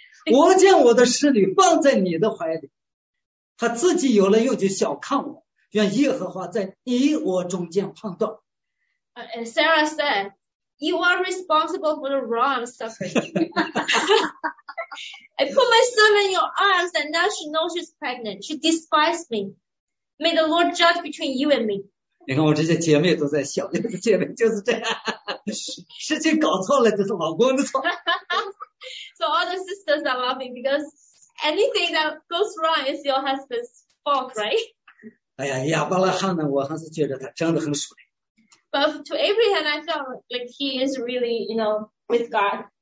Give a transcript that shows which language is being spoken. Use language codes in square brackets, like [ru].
[zh] 我将我的使女放在你的怀里，他自己有了又就小看我，愿耶和华在你我中间判断。 [en] And Sarah said, "You are responsible for the wrong suffering. I put my son in your arms, and now she knows she's pregnant. She despised me. May the Lord judge between you and me." [zh] 你看我这些姐妹都在笑，这些姐妹就是这样，事情搞错了就是老公的错。 [en] So all the sisters are laughing because anything that goes wrong is your husband's fault, right? [zh] 哎呀，亚伯拉罕呢，我还是觉得他真的很水。 [en] But to Abraham, I felt like he is really, you know, with God.